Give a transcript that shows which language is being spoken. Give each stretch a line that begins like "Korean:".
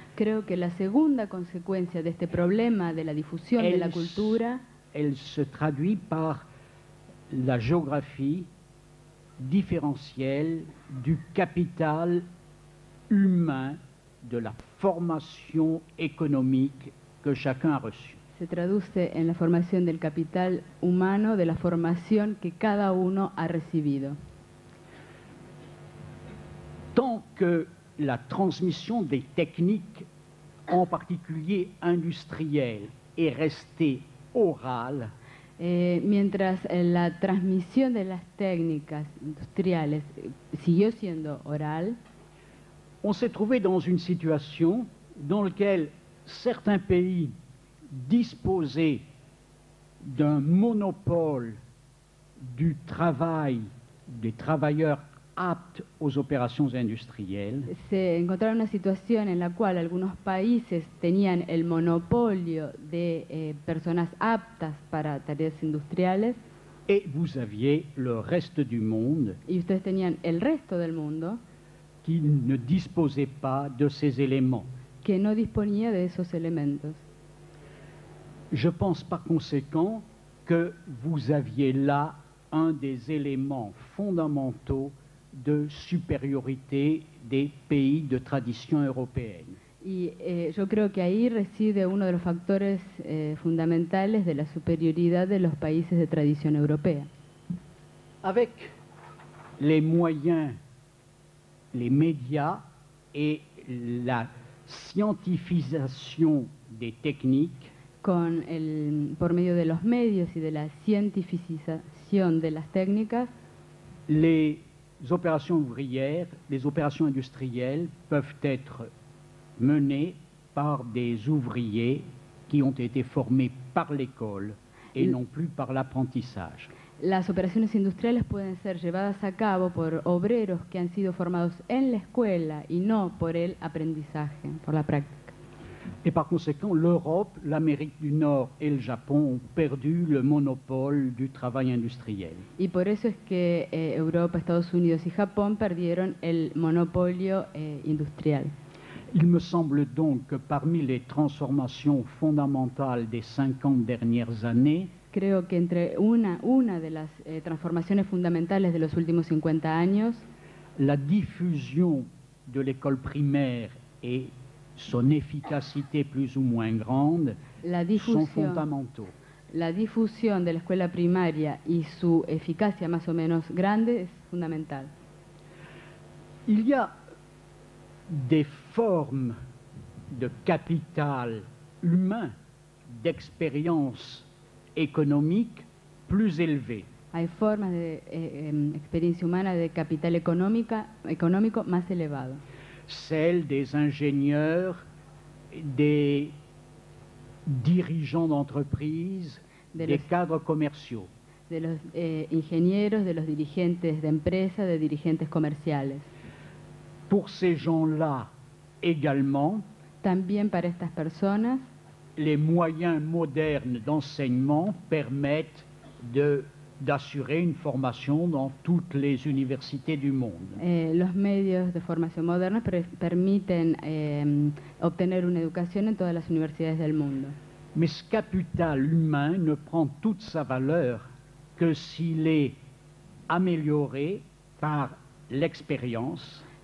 Spanish: creo que la segunda consecuencia de este problema de la difusión de la cultura,
French: elle se traduit par la géographie différentielle du capital humain de la formation économique que chacun a reçue.
Spanish: Se traduce en la formación del capital humano de la formación que cada uno ha recibido.
French: Tant que la transmission des techniques, en particulier industrielles, est restée orale,
Spanish: mientras la transmission de las técnicas industriales siguió siendo oral,
French: on s'est trouvé dans une situation dans laquelle certains pays disposaient d'un monopole du travail des travailleurs aptes aux opérations industrielles.
Spanish: Se encontraron una situación en la cual algunos países tenían el monopolio de personas aptas para tareas industriales.
French: Et vous aviez le reste du monde.
Spanish: Y ustedes tenían el resto del mundo
French: qui ne disposait pas de ces éléments.
Spanish: Que no disponía de esos elementos.
French: Je pense par conséquent que vous aviez là un des éléments fondamentaux de supériorité des pays de tradition européenne.
Spanish: Y yo creo que ahí reside uno de los factores fundamentales de la superioridad de los países de tradición europea.
French: Avec les moyens, les médias et la scientifisation des techniques,
Spanish: con el, por medio de los medios y de la cientificación de las técnicas,
French: les opérations ouvrières, les opérations industrielles peuvent être menées par des ouvriers qui ont été formés par l'école et non plus par l'apprentissage.
Spanish: Las operaciones industriales pueden ser llevadas a cabo por obreros que han sido formados en la escuela y no por el aprendizaje, por la práctica.
French: Et par conséquent, l'Europe, l'Amérique du Nord et le Japon ont perdu le monopole du travail industriel.
Spanish: Y por eso es que Europa, Estados Unidos y Japón perdieron el monopolio industrial.
French: Il me semble donc que parmi les transformations fondamentales des 50 dernières années,
Spanish: creo que entre una de las transformaciones fundamentales de los últimos 50 años,
French: la diffusion de l'école primaire et son efficacité plus ou moins grande sont fondamentaux.
Spanish: La difusión de la escuela primaria y su eficacia más o menos grande es fundamental.
French: Il y a des formes de capital humain, d'expérience économique plus élevé.
Spanish: Hay formas de experiencia humana de capital económico más elevado.
French: Celle des ingénieurs, des dirigeants d'entreprise, des cadres commerciaux.
Spanish: De los ingenieros, de los dirigentes de empresa, de dirigentes comerciales.
French: Pour ces gens-là également,
Spanish: también para estas personas,
French: les moyens modernes d'enseignement permettent d'assurer une formation dans toutes les universités du monde.
Spanish: Los medios de formación moderna permiten obtener una educación en todas las universidades del mundo.
French: Mais ce capital humain ne prend toute sa valeur que s'il est amélioré par l'expérience.